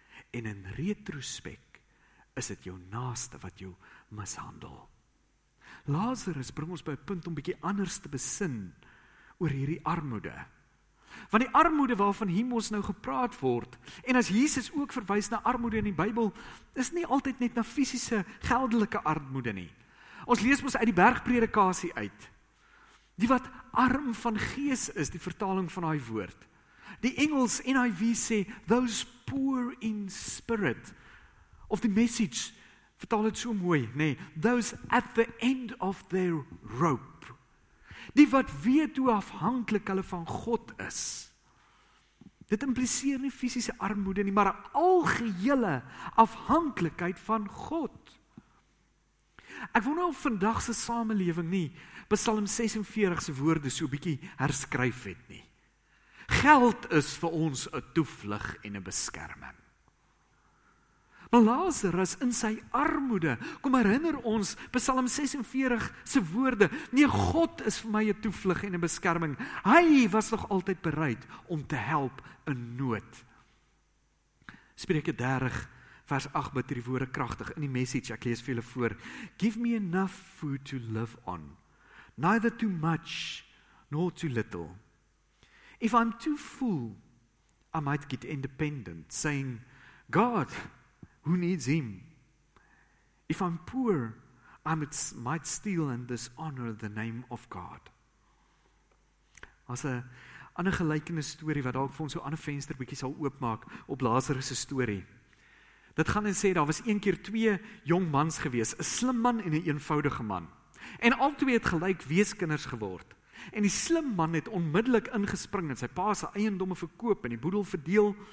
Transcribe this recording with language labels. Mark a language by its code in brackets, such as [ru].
[af] En in retrospek is dit jou naaste wat jou mishandel." Lazarus bring ons by 'n punt om bietjie anders te besin oor hierdie armoede. Want die armoede waarvan hiermos nou gepraat word, en as Jesus ook verwys na armoede in die Bybel, is nie altyd net na fisiese geldelike armoede nie. Ons lees mos uit die bergpredikasie uit. Die wat arm van gees is, die vertaling van daai woord. Die Engels NIV sê, [en] those poor in spirit. [af] Of die message, vertaal het so mooi, nee, [en] those at the end of their rope. [af] Die wat weet hoe afhankelijk hulle van God is. Dit impliseer nie fysische armoede nie, maar een algehele afhankelijkheid van God. Ek wil nou vandagse samenleving nie, Psalm 46 se woorde so bietjie herskryf het nie. Geld is vir ons een toevlug en een beskerming. Maar Lazarus in sy armoede, kom herinner ons, Psalm 46 se woorde, nee, God is vir my een toevlug en een beskerming. Hy was nog altyd bereid om te help in nood. Spreuke 30 vers 8 bid die woorde krachtig in die message, ek lees vir julle voor. [en] Give me enough food to live on, neither too much nor too little. If I'm too full, I might get independent, saying, God, who needs him? If I'm poor, I might steal and dishonor the name of God. [af] As 'n ander gelykende story, wat ook vir ons so 'n ander venster bietjie sal oopmaak, op Lazarus se story. Dit gaan en sê, daar was een keer twee jong mans gewees, 'n slim man en 'n eenvoudige man. En al twee het gelyk weeskinders geword. En die slim man het onmiddellik ingespring en sy pa se eiendomme verkoop en die boedel verdeel.